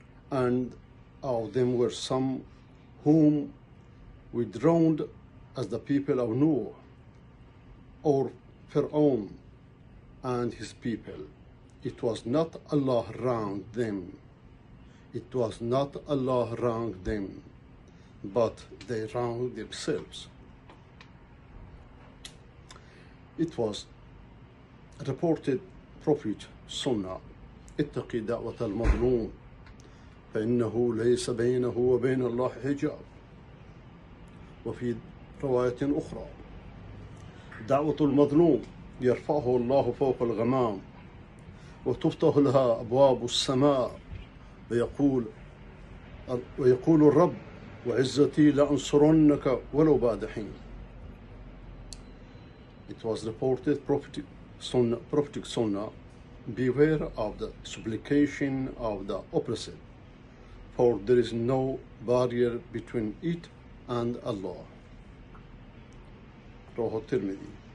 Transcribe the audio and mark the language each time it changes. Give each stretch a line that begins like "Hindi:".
English: And of them were some whom we drowned as the people of Noah, or Pharaoh and his people. It was not Allah wronged them. It was not Allah wronged them, but they wronged themselves. It was reported Prophet Sunnah,
Arabic: اتقي دعوة المظلوم فإنه ليس بينه وبين الله حجاب. وفي رواية أخرى: دعوة المظلوم يرفعه الله فوق الغمام وتفتح لها أبواب السماء ويقول الرب وعزتي لأنصرنك ولو بعد حين.
English: It was reported prophetic sunnah, beware of the supplication of the oppressed, for there is no barrier between it and Allah.
Arabic: روح الترمذي.